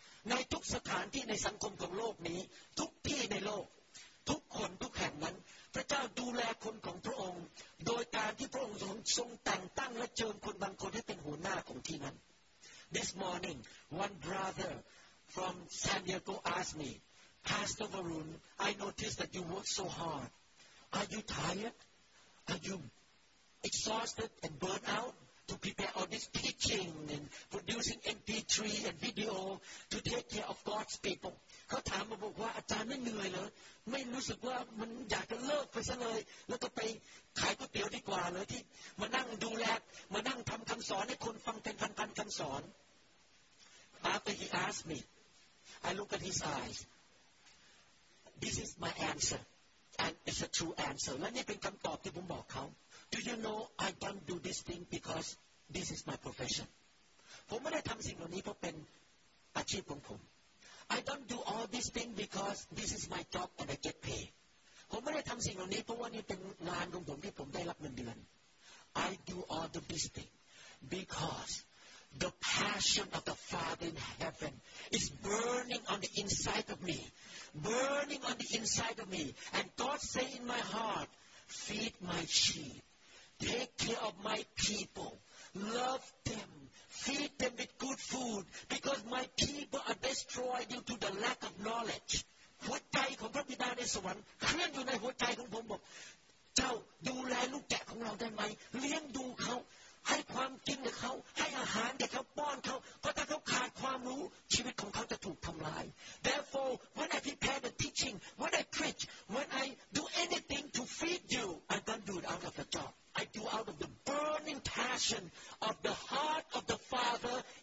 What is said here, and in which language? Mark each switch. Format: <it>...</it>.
<th>ในทุกสถานที่ในสังคมของโลกนี้ทุกที่ในโลกทุกคนทุกแห่งนั้นพระเจ้าดูแลคนของพระองค์โดยการที่พระองค์ทรงแต่งตั้งและเชิญคนบางคนให้เป็นหัวหน้าของที่นั้น</th> <en>This morning, one brother from San Diego asked me, Pastor Varun, I noticed that you work so hard. Are you tired? Are you exhausted and burnt out to prepare all this teaching and producing MP3 and video to take care of God's people?</en> <th>เขาถามมาบอกว่าอาจารย์ไม่เหนื่อยเหรอไม่รู้สึกว่ามันอยากจะเลิกไปซะเลยแล้วก็ไปขายก๋วยเตี๋ยวดีกว่าเลยที่มานั่งดูแลมานั่งทำคำสอนให้คนฟังเป็นพันๆคำสอน</th> <en>After he asked me, I look at his eyes. This is my answer. And it's a true answer.</en> <th>และนี่เป็นคำตอบที่ผมบอกเขา</th> <en>Do you know I don't do this thing because this is my profession?</en> <th>ผมไม่ได้ทำสิ่งเหล่านี้เพราะเป็นอาชีพของผม</th> <en>I don't do all these things because this is my job and I get paid.</en> <th>ผมไม่ได้ทำสิ่งเหล่านี้เพราะว่านี่เป็นงานของผมที่ผมได้รับเงินเดือน</th> <en>I do all of these things because the passion of the Father in heaven is burning on the inside of me. Burning on the inside of me, and God say in my heart, feed my sheep, take care of my people, love them, feed them with good food, because my people are destroyed due to the lack of knowledge.</en> <th>หัวใจของพระบิดาในสวรรค์เคลื่อนอยู่ในหัวใจของผมบอกเจ้าดูแลลูกแกะของเราได้ไหมเลี้ยงดูเขาให้ความกินกับเขาให้อาหารกับเขาป้อนเขาเพราะถ้าเขาขาดความรู้ชีวิตของเขาจะถูกทำลาย</th> <en>Therefore, when I prepare the teaching, when I preach, when I do anything to feed you, I don't do it out of the job. I do out of the burning passion of the heart of the Father</en>